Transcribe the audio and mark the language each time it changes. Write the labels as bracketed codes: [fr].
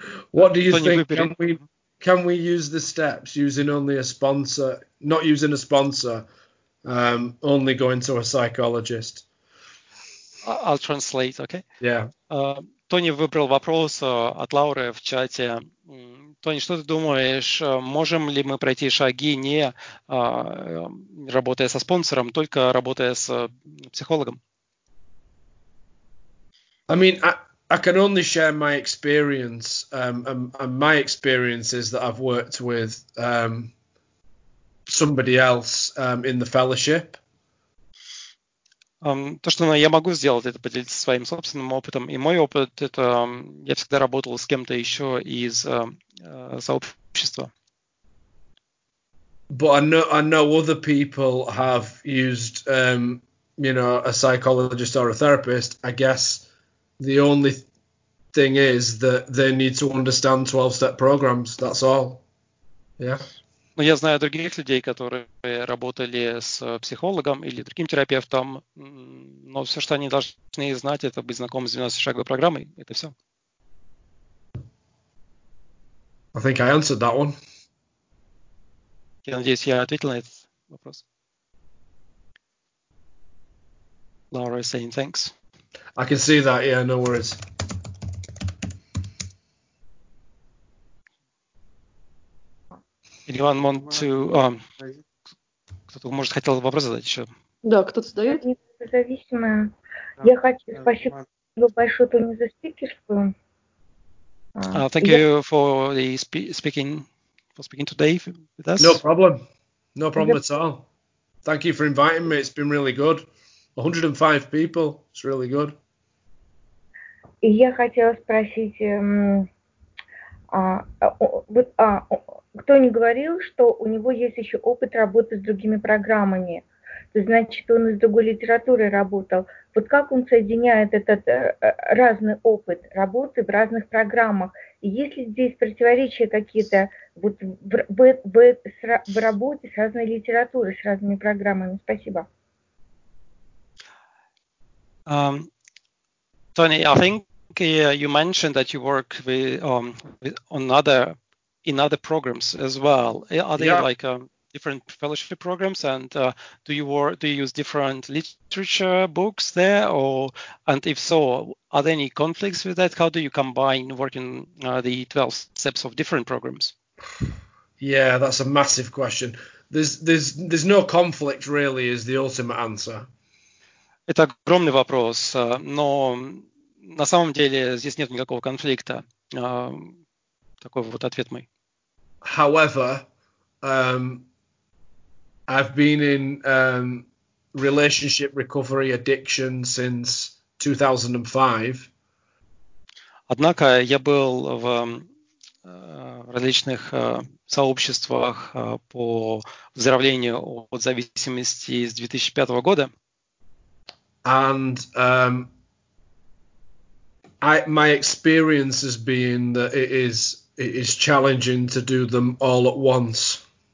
[en] What do you think? Can we use the steps using only a sponsor, not using a sponsor, only going to a psychologist? I'll translate, okay? Yeah. [ru] Тони выбрал вопрос от Лауры в чате. Тони, что ты думаешь, можем ли мы пройти шаги, не работая со спонсором, только работая с психологом? [en] I mean, I can only share my experience. And my experience is that I've worked with somebody else in the fellowship. [ru] То, что я могу сделать, это поделиться своим собственным опытом. И мой опыт – это я всегда работал с кем-то еще из сообщества. [en] But I know other people have used, you know, a psychologist or a therapist. I guess the only thing is that they need to understand 12-step programs. That's all. Yeah. [ru] Но я знаю других людей, которые работали с психологом или другим терапевтом, но все, что они должны знать, это быть знакомым с 12-шаговой программой. Это все. [en] I think I answered that one. [ru] Я надеюсь, я ответил на этот вопрос. [en] Laura is saying thanks. I can see that, yeah, no worries. Anyone want to? [ru] Кто-то может хотел вопрос задать еще. Да, кто-то задает. Независимая. Я хочу спасибо большое Тони за спикерство. [en] Thank you for the speaking today with us. No problem. No problem at all. Thank you for inviting me. It's been really good. 105 people. It's really good. [ru] Я хотела спросить. Кто не говорил, что у него есть еще опыт работы с другими программами? То есть, значит, он из другой литературы работал. Вот как он соединяет этот разный опыт работы в разных программах? И есть ли здесь противоречия какие-то вот в работе с разной литературой, с разными программами? Спасибо. [en] Tony, I think you mentioned that you work in other programs as well. Are they like different fellowship programs? And do you use different literature books there? Or, and if so, are there any conflicts with that? How do you combine working the 12 steps of different programs? Yeah, that's a massive question. There's no conflict really is the ultimate answer. [ru] Это огромный вопрос, но на самом деле здесь нет никакого конфликта. Такой вот ответ мой. [en] However, I've been in relationship recovery addiction since 2005. [ru] Однако я был в различных сообществах по выздоровлению от зависимости с 2005 года. [en] And my experience has been that it is challenging to do them all at once.